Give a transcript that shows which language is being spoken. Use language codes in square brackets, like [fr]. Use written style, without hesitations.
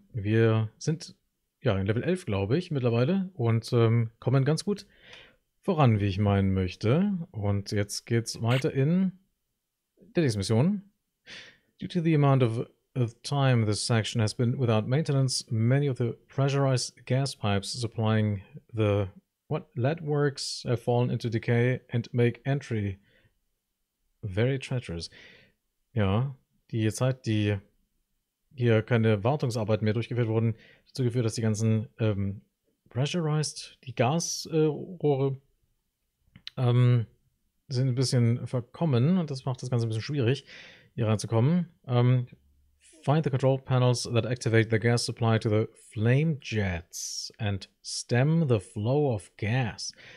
[de] Wir sind ja in Level 11, glaube ich, mittlerweile und kommen ganz gut voran, wie ich meinen möchte. Und jetzt geht's weiter in der nächsten Mission. [en] Due to the amount of time this section has been without maintenance, many of the pressurized gas pipes supplying the what lead works have fallen into decay and make entry very treacherous. [de] Ja. Die Zeit, die hier keine Wartungsarbeiten mehr durchgeführt wurden, dazu geführt, dass die ganzen pressurized, die Gasrohre sind ein bisschen verkommen und das macht das Ganze ein bisschen schwierig, hier reinzukommen. [en] Find the control panels that activate the gas supply to the flame jets and stem the flow of gas.